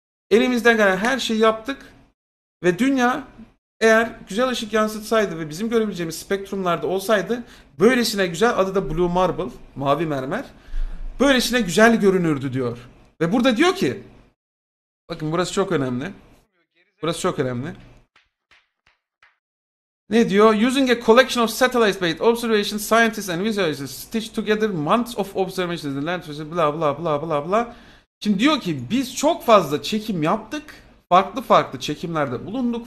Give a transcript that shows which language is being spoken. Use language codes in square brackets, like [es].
[tr] Elimizden gelen her şeyi yaptık. Ve dünya eğer güzel ışık yansıtsaydı ve bizim görebileceğimiz spektrumlarda olsaydı böylesine güzel, adı da Blue Marble, mavi mermer, böylesine güzel görünürdü diyor. Ve burada diyor ki, bakın burası çok önemli. Burası çok önemli. Ne diyor? [en] Using a collection of satellite-based observations, scientists and researchers stitched together months of observations in the land, bla bla bla. [tr] Şimdi diyor ki biz çok fazla çekim yaptık. Farklı farklı çekimlerde bulunduk.